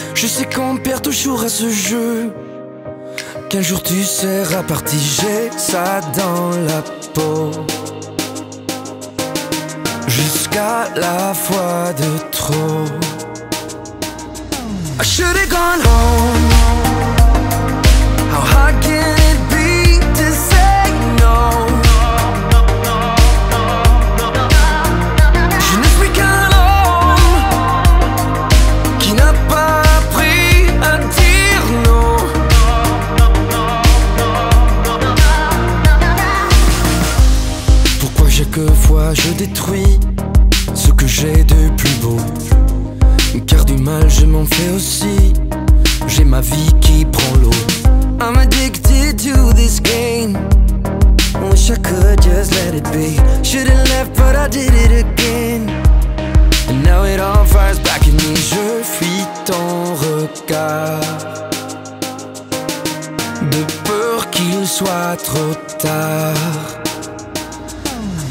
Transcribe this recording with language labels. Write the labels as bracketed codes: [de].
[fr] Je sais qu'on perd toujours à ce jeu, qu'un jour tu seras parti. J'ai ça dans la peau jusqu'à la fois de trop. [en] I should have gone home. How hard can it be to say no? [fr] Je ne suis qu'un homme qui n'a pas appris à dire non. Pourquoi chaque fois je détruis ce que j'ai de plus beau? Car du mal je m'en fais aussi, j'ai ma vie qui prend l'eau. [en] I'm addicted to this game, wish I could just let it be. Should've left but I did it again, and now it all fires back in me. [fr] Je fuis ton regard de peur qu'il soit trop tard.